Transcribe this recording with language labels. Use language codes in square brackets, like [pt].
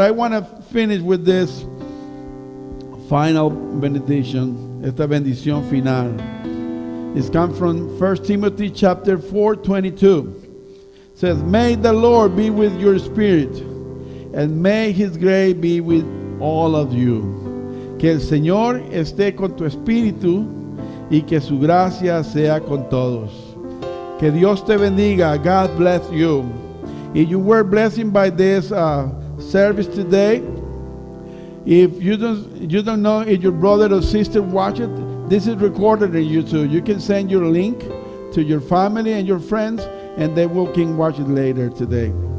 [en] I want to finish with this final benediction. [es] Esta bendición final. [en] It's come from 1 Timothy chapter 4, 22. Says, may the Lord be with your spirit, and may His grace be with all of you. [es] Que el Señor esté con tu espíritu, y que su gracia sea con todos. Que Dios te bendiga. [en] God bless you. If you were blessed by this service today, if you don't know if your brother or sister watch it, this is recorded on YouTube. You can send your link to your family and your friends, and they will can watch it later today.